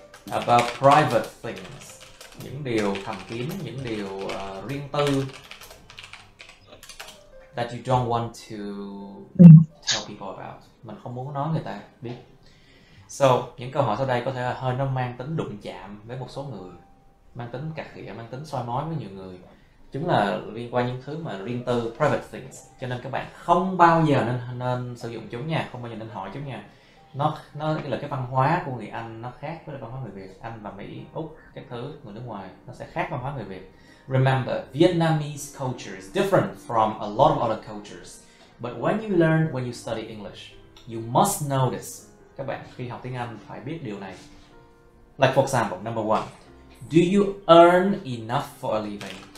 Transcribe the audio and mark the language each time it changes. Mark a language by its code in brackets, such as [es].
[en] About private things, [vi] những điều thầm kín, những điều riêng tư. [en] That you don't want to tell people about. [vi] Mình không muốn nói người ta biết. So, những câu hỏi sau đây có thể là hơi nó mang tính đụng chạm với một số người, mang tính cà khịa, mang tính soi mói với nhiều người. Chúng là liên quan những thứ mà riêng tư, private things. Cho nên các bạn không bao giờ nên sử dụng chúng nha, không bao giờ nên hỏi chúng nha. Nó là cái văn hóa của người Anh, nó khác với văn hóa người Việt, Anh và Mỹ, Úc, các thứ, người nước ngoài, nó sẽ khác văn hóa người Việt. [en] Remember, Vietnamese culture is different from a lot of other cultures. But when you study English, you must know this. [vi] Các bạn khi học tiếng Anh phải biết điều này. [en] Like for example, number one, do you earn enough for a living?